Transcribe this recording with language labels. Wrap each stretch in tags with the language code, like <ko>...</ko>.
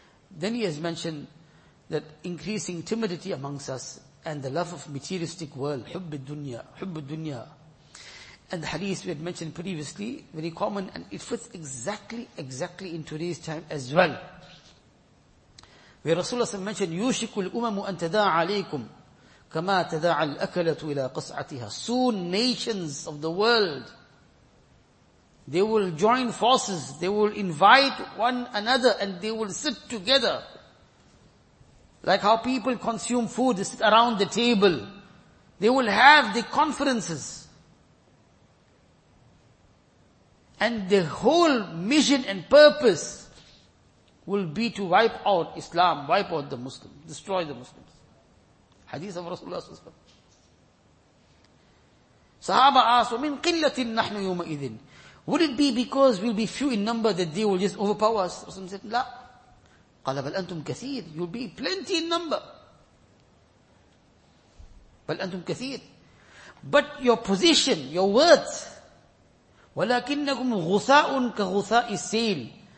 <en>Then he has mentioned that increasing timidity amongst us and the love of materialistic world, hubb al-dunya. And the hadith we had mentioned previously, very common, and it fits exactly in today's time as well. Where Rasulullah SAW mentioned,</en> <ar>يُوشِكُ الْأُمَمُ أَن تَدَاعَ عَلَيْكُمْ كَمَا تَدَاعَ الْأَكَلَةُ إِلَىٰ قَصْعَتِهَا.</ar> <en>Soon nations of the world, they will join forces, they will invite one another, and they will sit together. Like how people consume food, they sit around the table. They will have the conferences. And the whole mission and purpose will be to wipe out Islam, wipe out the Muslims, destroy the Muslims. Hadith of Rasulullah SAW. Sahaba asked,</en> <ar>وَمِنْ قِلَّةٍ نَحْنُ يُومَئِذٍ.</ar> <en>Would it be because we'll be few in number that they will just overpower us? Rasulullah said, لَا.</en> <ar>قَالَ بَلْ أَنْتُمْ كَثِيرٌ.</ar> <en>You'll be plenty in number.</en> <ar>بَلْ أَنْتُمْ كَثِيرٌ.</ar> <en>But your position, your worth,</en> <ar>وَلَكِنَّكُمْ غُثَاءٌ كَغُثَاءِ السَّيْلِ.</ar>